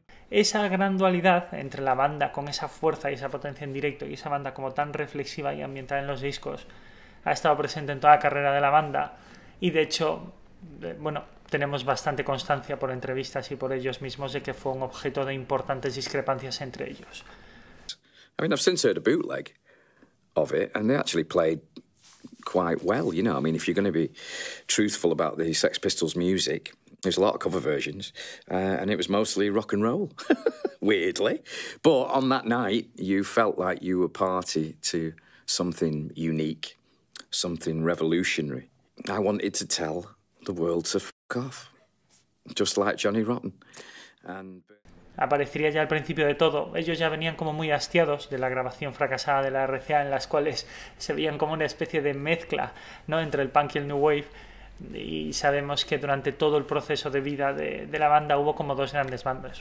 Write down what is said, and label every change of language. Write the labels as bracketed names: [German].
[Spanish] Esa gran dualidad entre la banda con esa fuerza y esa potencia en directo y esa banda como tan reflexiva y ambiental en los discos ha estado presente en toda la carrera de la banda y de hecho, bueno, tenemos bastante constancia por entrevistas y por ellos mismos de que fue un objeto de importantes discrepancias entre ellos. [English] I mean, I've since heard a bootleg of it, and they actually played quite well, you know. I mean, if you're going to be truthful about the Sex Pistols music, there's a lot of cover versions, and it was mostly rock and roll, weirdly. But on that night, you felt like you were party to something unique, something revolutionary. I wanted to tell the world to fuck off, just like Johnny Rotten. And [Spanish] Aparecería ya al principio de todo. Ellos ya venían como muy hastiados de la grabación fracasada de la RCA, en las cuales se veían como una especie de mezcla, ¿no?, entre el punk y el new wave. Y sabemos que durante todo el proceso de vida de la banda hubo como dos grandes bandas.